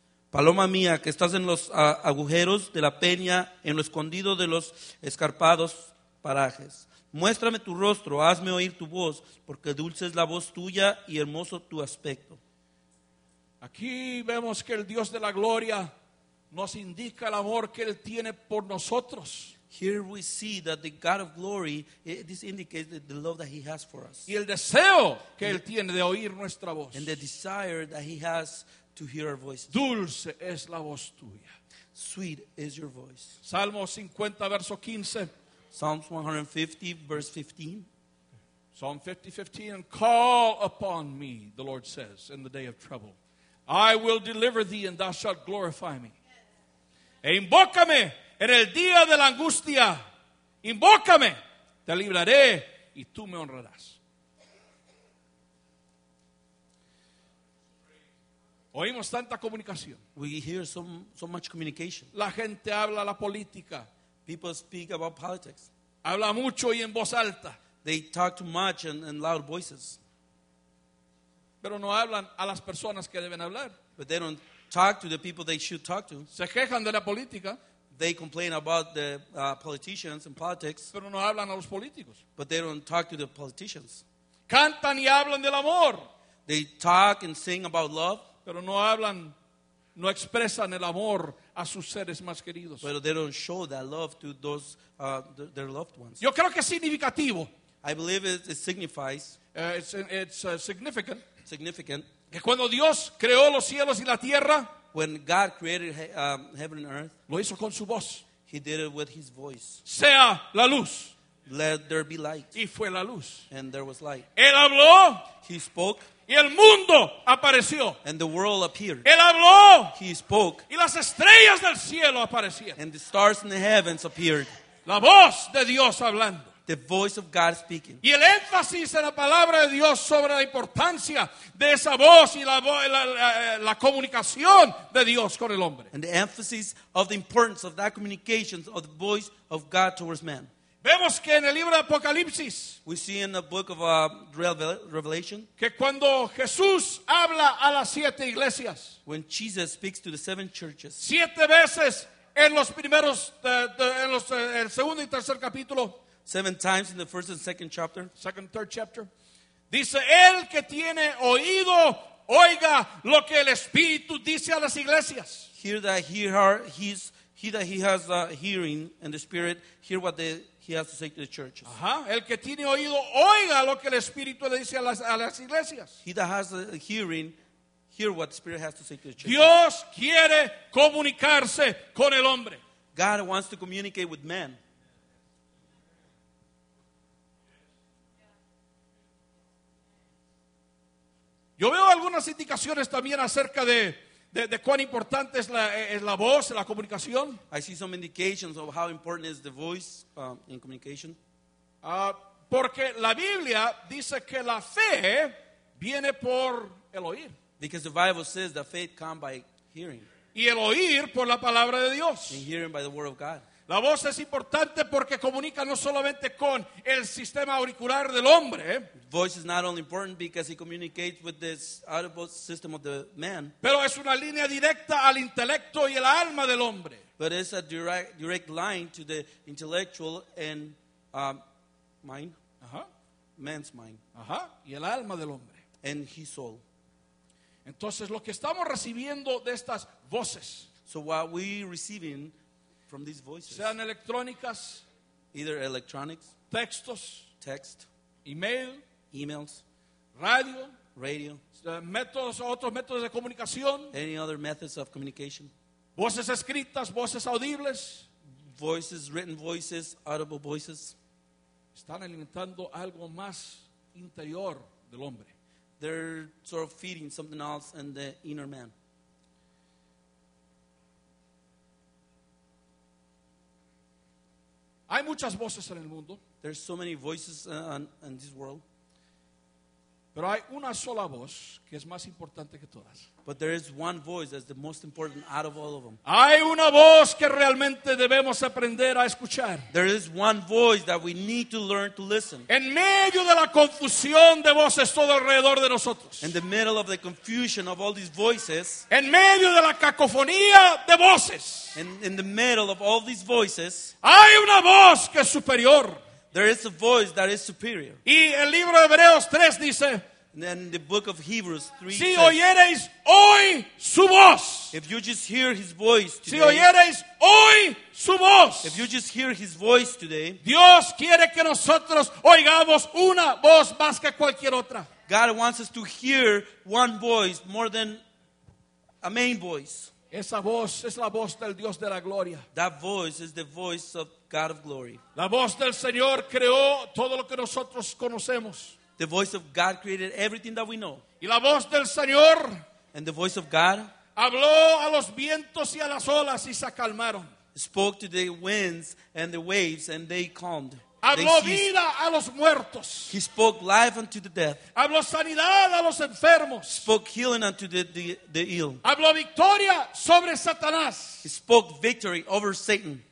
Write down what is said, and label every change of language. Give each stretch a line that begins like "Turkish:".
Spanish: Paloma mía, que estás en los agujeros de la peña, en lo escondido de los escarpados parajes. Muéstrame tu rostro, hazme oír tu voz, porque dulce es la voz tuya y hermoso tu aspecto. Aquí vemos que el Dios de la gloria nos indica el amor que Él tiene por nosotros.
English: Here we see that the God of glory, this indicates the love that He has for us.
Spanish: Y el deseo que Él tiene de oír nuestra voz.
English: And the desire that He has to hear our voices.
Spanish: Dulce es la voz tuya.
English: Sweet is your voice.
Spanish: Salmo 50, verso 15.
English: Psalms 150, verse 15. Psalm 50, 15. And call upon me, the Lord says, in the day of trouble. I will deliver thee, and thou shalt glorify me.
Spanish: E invócame en el día de la angustia. Invócame, te libraré, y tú me honrarás. Oímos tanta comunicación.
English: We hear so much communication.
Spanish: La gente habla la política.
English: People speak about politics.
Spanish: Habla mucho y en voz alta.
English: They talk too much and in loud voices.
Spanish: Pero no hablan a las personas que deben hablar.
English: But they don't talk to the people they should talk to.
Spanish: Se quejan de la política.
English: They complain about the politicians and politics.
Spanish: Pero no hablan a los políticos.
English: But they don't talk to the politicians.
Spanish: Cantan y hablan del amor.
English: They talk and sing about love.
Spanish: Pero no hablan, no expresan el amor a sus seres más queridos.
English: But they don't show that love to those their loved ones.
Spanish: Yo creo que es significativo.
English: I believe it signifies. Significant. Significant.
Spanish: Que cuando Dios creó los cielos y la tierra,
English: when God created heaven and earth,
Spanish: lo hizo con su voz.
English: He did it with his voice.
Spanish: Sea la luz.
English: Let there be light.
Spanish: Y fue la luz.
English: And there was light.
Spanish: Él habló.
English: He spoke.
Spanish: Y el mundo apareció.
English: And the world appeared.
Spanish: Él habló.
English: He spoke.
Spanish: Y las estrellas del cielo aparecían.
English: And the stars in the heavens appeared.
Spanish: La voz de Dios hablando.
English: The voice of God speaking.
Spanish: Y el énfasis en la palabra de Dios sobre la importancia de esa voz y la comunicación de Dios con el hombre.
English: And the emphasis of the importance of that communication of the voice of God towards man.
Spanish: Vemos que en el libro de Apocalipsis,
English: we see in the book of Revelation,
Spanish: que cuando Jesús habla a las siete iglesias,
English: when Jesus speaks to the seven churches,
Spanish: siete veces en los primeros, el segundo y tercer capítulo,
English: seven times in the first and second chapter, second and third chapter,
Spanish: dice, el que tiene oído, oiga lo que el Espíritu dice a las iglesias.
English: He that has hearing and the Spirit, hear what the He has to say to the churches.
Spanish: El que tiene oído, oiga lo que el Espíritu le dice a las iglesias.
English: He that has a hearing, hear what the Spirit has to say to the churches.
Spanish: Dios quiere comunicarse con el hombre.
English: God wants to communicate with man.
Spanish: Yo veo algunas indicaciones también acerca de cuán importante es la voz, la comunicación.
English: I see some indications of how important is the voice in communication.
Spanish: Porque la Biblia dice que la fe viene por el oír.
English: Because the Bible says that faith comes by hearing.
Spanish: Y el oír por la palabra de Dios.
English: And hearing by the word of God.
Spanish: La voz es importante porque comunica no solamente con el sistema auricular del hombre.
English: Voice is not only important because it communicates with this audible system of the man.
Spanish: Pero es una línea directa al intelecto y el alma del hombre.
English: But it's a direct line to the intellectual and mind. Man's mind.
Spanish: Y el alma del hombre.
English: And his soul.
Spanish: Entonces lo que estamos recibiendo de estas voces.
English: So what we receiving from these voices.
Spanish: Sean electrónicas.
English: Either electronics.
Spanish: Textos.
English: Text.
Spanish: Email.
English: Emails.
Spanish: Radio.
English: Radio.
Spanish: Métodos, otros métodos de comunicación.
English: Any other methods of communication.
Spanish: Voces escritas, voces audibles.
English: Voices, written voices, audible voices.
Spanish: Están alimentando algo más interior del hombre.
English: They're sort of feeding something else in the inner man.
Spanish: Hay muchas voces en el mundo.
English: There's so many voices in this world.
Spanish: Pero hay una sola voz que es más importante que todas.
English: But there is one voice that's the most important out of all of them.
Spanish: Hay una voz que realmente debemos aprender a escuchar.
English: There is one voice that we need to learn to listen.
Spanish: En medio de la confusión de voces todo alrededor de nosotros.
English: In the middle of the confusion of all these voices.
Spanish: En medio de la cacofonía de voces.
English: In the middle of all these voices.
Spanish: Hay una voz que es superior.
English: There is a voice that is superior.
Spanish: Y el libro de Hebreos 3 dice,
English: and then the book of Hebrews 3
Spanish: si
English: says,
Spanish: oyereis hoy su voz,
English: if you just hear his voice today,
Spanish: si oyereis hoy su voz,
English: if you just hear his voice today,
Spanish: Dios quiere que nosotros oigamos una voz más que cualquier otra.
English: God wants us to hear one voice more than a main voice.
Spanish: Esa voz es la voz del Dios de la gloria.
English: That voice is the voice of God of glory.
Spanish: La voz del Señor creó todo lo que nosotros conocemos.
English: The voice of God created everything that we know.
Spanish: Y la voz del Señor,
English: and the voice of God,
Spanish: habló a los vientos y a las olas y se calmaron.
English: Spoke to the winds and the waves and they calmed.
Spanish: Habló vida a los muertos.
English: He spoke life unto the dead.
Spanish: Habló sanidad a los enfermos.
English: Spoke healing unto the ill.
Spanish: Habló victoria sobre Satanás.
English: He spoke victory over Satan.